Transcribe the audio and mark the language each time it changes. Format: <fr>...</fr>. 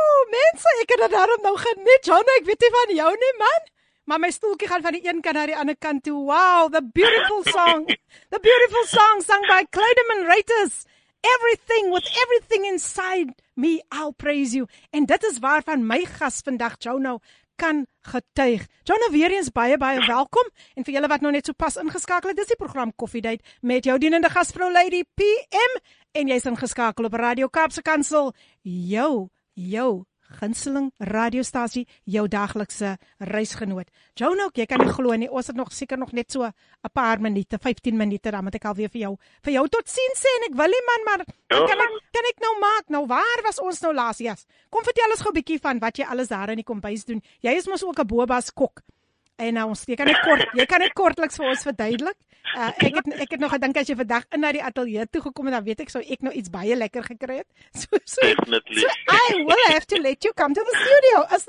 <af>Mense, ek het dit daarom nou geniet. John, ek weet nie van jou nie, man. Maar my stoeltjie gaan van die een kant naar die ander kant toe.</af> <en>Wow, the beautiful song. The beautiful song sung by Kleideman Reuters. Everything, with everything inside me, I'll praise you.</en> <af>En dit is waarvan my gas vandag, Jono, kan getuig. Jono, weer eens baie, baie welkom. En vir julle wat nou net so pas ingeskakel het, dis die program Koffiedate met jou dienende gasvrou Lady PM. En jy is ingeskakel op Radio Kaapse Kansel. Jou. Gunsteling radiostasie, jou daglikse reisgenoot. Jono, jy kan nie glo nie, ons het nog seker nog net so 'n paar minute, 15 minute, dan moet ek alweer vir jou tot sien sê, en ek wil nie, man, maar kan ek nou maak, nou waar was ons nou laas? Yes. Kom, vertel ons gou 'n bietjie van wat jy alles daar in die kombuis doen. Jy is mos ook 'n boba's kok. En nou, jy kan net kortliks vir ons verduidelik. Ek het nog gedink as jy vandag in na die ateljee toe gekom het, dan weet ek sou ek nou iets baie lekker gekry het.</af> <en>So, definitely. So I will have to let you come to the studio.</en>